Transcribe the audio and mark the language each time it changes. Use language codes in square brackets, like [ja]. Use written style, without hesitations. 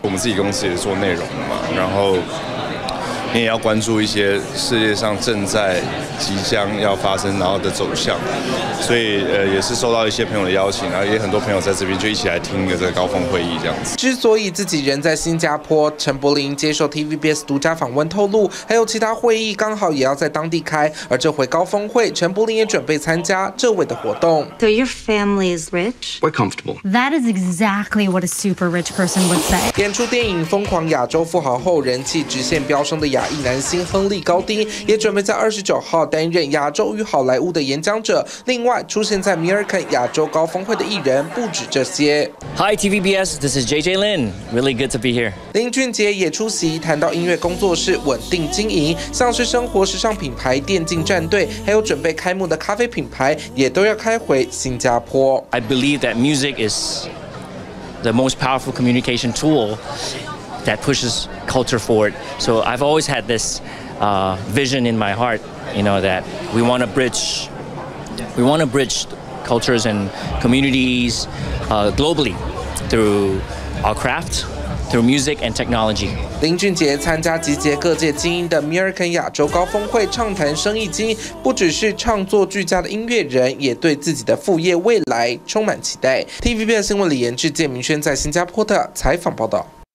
[zh] 我们自己公司也是做内容的嘛，然后你也要关注一些世界上正在即将要发生然后的走向，所以也是受到一些朋友的邀请，然后也很多朋友在这边就一起来听一个这个高峰会议这样子。之所以自己人在新加坡，陈柏霖接受 TVBS 独家访问透露，还有其他会议刚好也要在当地开，而这回高峰会陈柏霖也准备参加这位的活动。 [en] So your family is rich? We're comfortable. That is exactly what a super rich person would say. [zh] 演出电影《疯狂亚洲富豪》后人气直线飙升的亚裔男星亨利高丁也准备在29号担任亚洲与好莱坞的演讲者。另外，出现在米尔肯亚洲高峰会的艺人不止这些。 [en] Hi TVBS, this is JJ Lin. Really good to be here. [zh] 林俊杰也出席，谈到音乐工作室稳定经营，像是生活时尚品牌、电竞战队，还有准备开幕的咖啡品牌，也都要开回新加坡。 [en] I believe that music is the most powerful communication tool that pushes culture forward. So I've always had this vision in my heart, you know, that we want to bridge cultures and communities globally through our craft, through music and technology. [zh] 林俊杰参加集结各界精英的 American 亚洲高峰会，畅谈生意经，不只是创作俱佳的音乐人，也对自己的副业未来充满期待。 TVBS 新闻李延智、建明轩在新加坡的采访报道。